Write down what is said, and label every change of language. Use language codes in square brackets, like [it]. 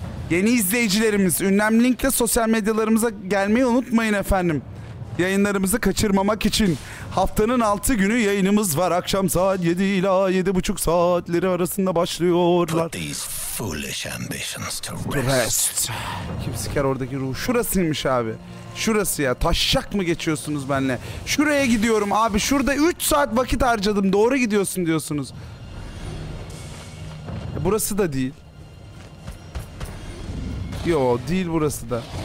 [tr] Yeni izleyicilerimiz, ünlem linkle sosyal medyalarımıza gelmeyi unutmayın efendim. Yayınlarımızı kaçırmamak için. Haftanın 6 günü yayınımız var. Akşam saat 7 ila 7.30 saatleri arasında başlıyorlar. [en] Put these foolish ambitions to rest. [tr] Kim siker oradaki ruh? Şurasıymış abi. Şurası ya. Taşak mı geçiyorsunuz benimle? Şuraya gidiyorum abi. Şurada 3 saat vakit harcadım. Doğru gidiyorsun diyorsunuz. Burası da değil. Yo değil burası da.